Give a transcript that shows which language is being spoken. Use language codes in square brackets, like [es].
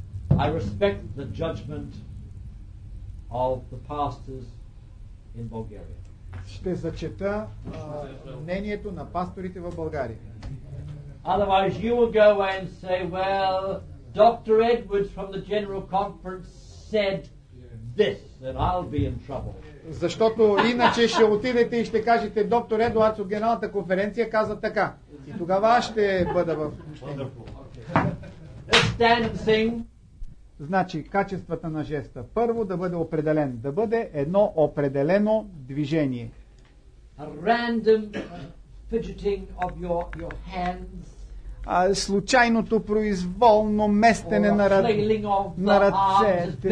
[en] I respect the judgment of the pastors in Bulgaria. [bg] Ще зачета мнението на пасторите в България. [en] Otherwise you will go away and say, well, Dr. Edwards from the General Conference said this, and I'll be in trouble. [bg] Защото иначе ще отидете и ще кажете, доктор Едуардс от Генералната конференция каза така. И тогава аз ще бъда в мъщение. [en] Let's stand and sing. [bg] Значи, качествата на жеста. Първо да бъде определен. Да бъде едно определено движение. [en] A random fidgeting of your hands. [bg] Случайното произволно местене на ръце.